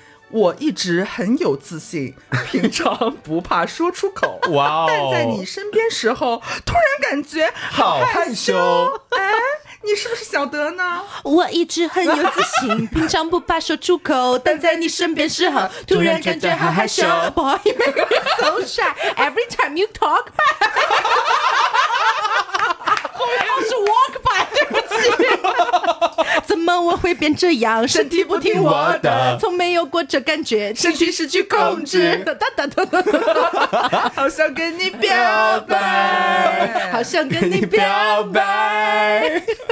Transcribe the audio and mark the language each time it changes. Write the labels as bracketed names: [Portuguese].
[Chinese] 我一直很有自信，平常不怕说出口。哇哦！但在你身边时候突然感觉好害羞。你是不是小德呢？我一直很有自信，平常不怕说出口，但在你身边时候突然感觉好害羞。 [English] Boy, you make me so shy every time you talk by。 [Chinese] 后面要是 [English] walk by， [Chinese] 对不起。怎么我会变这样，身体不听我的，从没有过这感觉，身体失去控制。好想跟你表白，好想跟你表白。